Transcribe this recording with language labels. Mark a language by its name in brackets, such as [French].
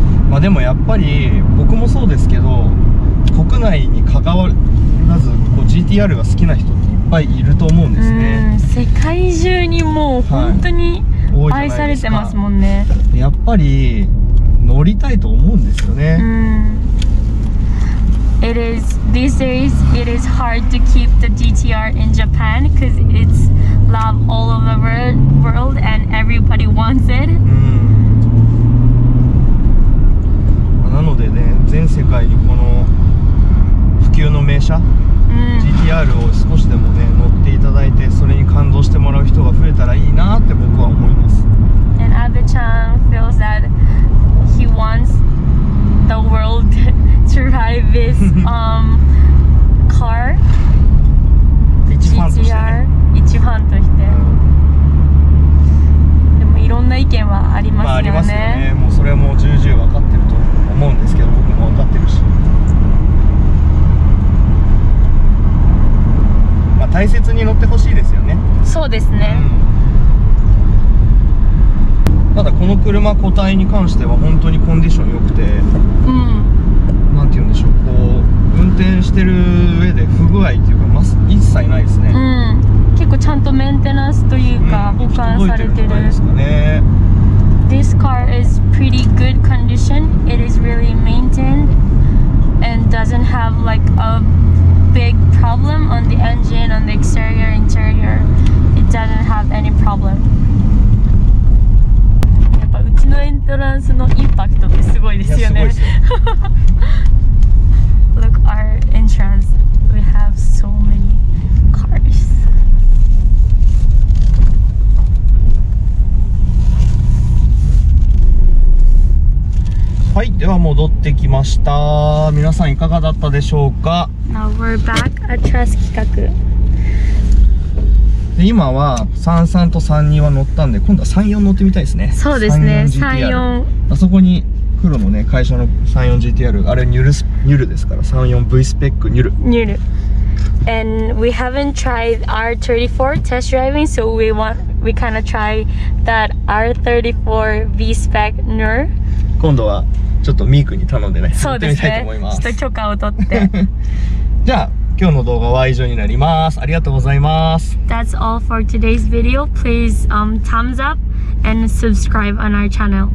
[Japanese] まあでもやっぱり僕もそうですけど、国内に関わらずこう GTR が好きな人っていっぱいいると思うんですね。世界中にもう本当に、はい、愛されてますもんね。やっぱり乗りたいと思うんですよね。 [English] It is these days it is hard to keep the GTR in Japan because it's love all over the world and everybody wants it. [Japanese] なのでね、全世界にこの普及の名車、GTR を少しでもね乗っていただいて、それに感動してもらう人が増えたらいいなって僕は思います。 [English] And Abe-chan feels that he wants the world to ride this car. [Japanese] 一ファンとして、でもいろんな意見はありますよね。まあありますよね、もうそれはもう重々分かってると思うんですけど、僕も分かってるし、まあ、大切に乗ってほしいですよね。そうですね、ただこの車個体に関しては本当にコンディション良くて、なんて言うんでしょう、こう運転してる上で不具合っていうか、ま、一切ないですね。結構ちゃんとメンテナンスというか、保管されてる、届いてるですかね。 [English] This car is pretty good condition. It is really maintained and doesn't have like a big problem on the engine, on the exterior, interior. It doesn't have any problem. [Japanese] やっぱうちのエントランスのインパクトってすごいですよね。 [English] Look, our entrance. We have so many cars. [Japanese] はい、では戻ってきました。皆さんいかがだったでしょうか。 [English] Now we're back at Trust 企画。 [Japanese] で今は33と32は乗ったんで、今度は34乗ってみたいですね。そうですね、34。あそこに黒のね、会社の 34GTR、 あれニュルですから、 34V スペックニュル。 [English] ニュル。And we haven't tried R34 test driving, so we kind of try that R34 V スペックニュル。 [Japanese] 今度はちょっとミークに頼んでね、そうですね、乗ってみたいと思います。ちょっと許可を取ってじゃあ今日の動画は以上になります。ありがとうございます。 [English] That's all for today's video. Please, thumbs up and subscribe on our channel.